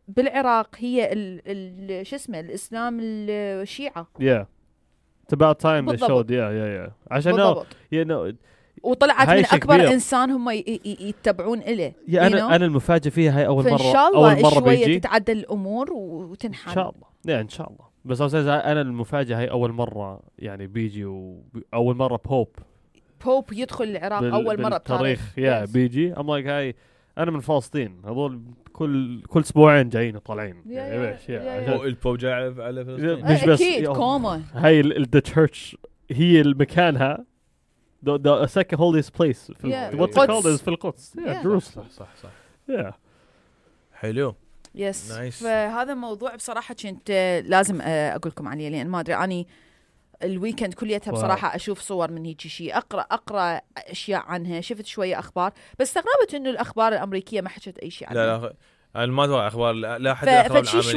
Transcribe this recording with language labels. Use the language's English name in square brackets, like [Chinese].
[Arabic] بالعراق هي ال شو اسمه الإسلام الشيعة [English] yeah it's about time they showed yeah yeah yeah [Arabic] عشان [English] you know [Arabic] وطلعت من أكبر كبير. إنسان هم يتبعون إليه yeah, [English] you know? [Arabic] أنا المفاجأة فيها هاي أول مرة أول مرة شوية بيجي تتعدل الأمور وتنحل إن شاء الله yeah, إن شاء الله بس أستاذ أنا المفاجأة هاي أول مرة يعني بيجي وأول مرة بوب يدخل العراق أول مرة بتاريخ يا yeah, yes. بيجي [English] I'm like [Arabic] هاي أنا من فلسطين هذول كل أسبوعين جايين وطالعين [English] yeah, yeah, [Arabic] yeah, yeah. البوب جاي على فلسطين مش بس كوما [English] هاي the church [Arabic] هي المكانها [English] the second holiest place yeah. what's it called is [Arabic] في القدس [English] yeah, yeah. [Arabic] صح صح صح [English] yeah. [Arabic] حلو [English] yes nice. [Arabic] فهذا موضوع بصراحة كنت لازم أقولكم عليه لأن ما أدري أني الويكند كليتها بصراحة أشوف صور من هيك شيء أقرأ أشياء عنها شفت شوية أخبار بس استغربت إنه الأخبار الأمريكية ما حكت أي شيء عنها لا أنا ما أتوقع أخبار لا أحد فشي